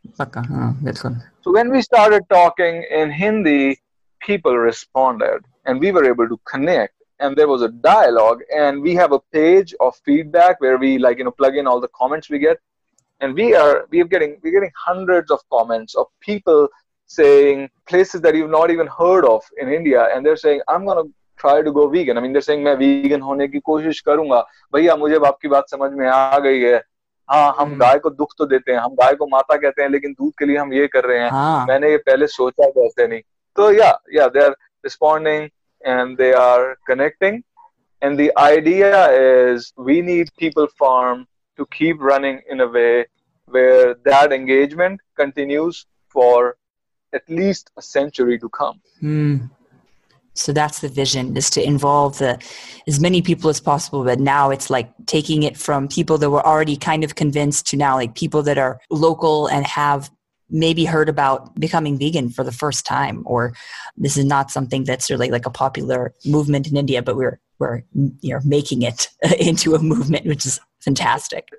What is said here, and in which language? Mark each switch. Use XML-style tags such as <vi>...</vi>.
<en>So when we started talking in Hindi, people responded and we were able to connect, and there was a dialogue, and we have a page of feedback where we, like, you know, plug in all the comments we get, and we're getting hundreds of comments of people saying places that you've not even heard of in India, and they're saying, I'm gonna try to go vegan. I mean, they're saying,</en> <hi>main vegan hone ki koshish karunga, bhaiya mujhe aapki baat samajh mein aa gayi hai. हाँ, हम गाय को दुख तो देते हैं, हम गाय को माता कहते हैं, लेकिन दूध के लिए हम ये कर रहे हैं. मैंने ये पहले सोचा कैसे नहीं.</hi> <en>तो yeah they are responding and they are connecting, and the idea is we need people farm to keep running in a way where that engagement continues for at least a century to come. So that's the vision, is to involve as many people as possible. But now it's like taking it from people that were already kind of convinced to now like people that are local and have maybe heard about becoming vegan for the first time, or this is not something that's really like a popular movement in India, but we're you know, making it into a movement, which is fantastic.</en>